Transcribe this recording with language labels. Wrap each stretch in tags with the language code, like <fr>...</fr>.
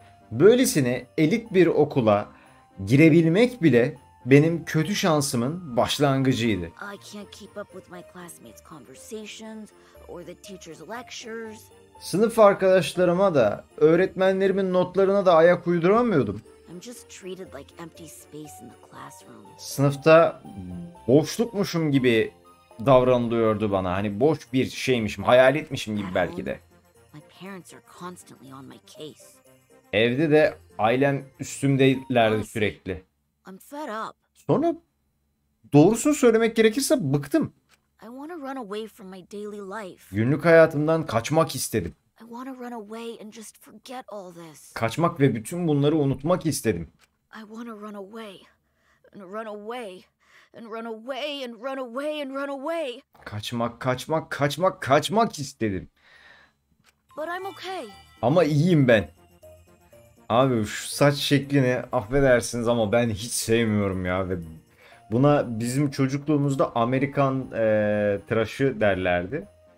<tr>Böylesine elit bir okula girebilmek bile benim kötü şansımın başlangıcıydı.</tr> <en>I can't keep up with my classmates' conversations or the teacher's lectures.</en> <tr>Sınıf arkadaşlarıma da, öğretmenlerimin notlarına da ayak uyduramıyordum.</tr> <en>I'm just treated like empty space in the classroom.</en> <tr>Sınıfta boşlukmuşum gibi davranılıyordu bana. Hani boş bir şeymişim, hayal etmişim gibi belki de.</tr> <en>My parents are constantly on my case.</en> <tr>Evde de ailem üstümdelerdi sürekli.</tr> <en>I'm fed up.</en> <tr>Sonra doğrusunu söylemek gerekirse bıktım.</tr> <en>I want to run away from my daily life.</en> <tr>Günlük hayatımdan kaçmak istedim.</tr> <en>I want to run away and just forget all this.</en> <tr>Kaçmak ve bütün bunları unutmak istedim.</tr> <en>I want to run away and run away and run away and run away and run away.</en> <tr>Kaçmak, kaçmak, kaçmak, kaçmak istedim.</tr> <en>But I'm okay.</en> <tr>Ama iyiyim ben. Abi şu saç şeklini affedersiniz ama ben hiç sevmiyorum ya ve buna bizim çocukluğumuzda Amerikan tıraşı derlerdi.</tr>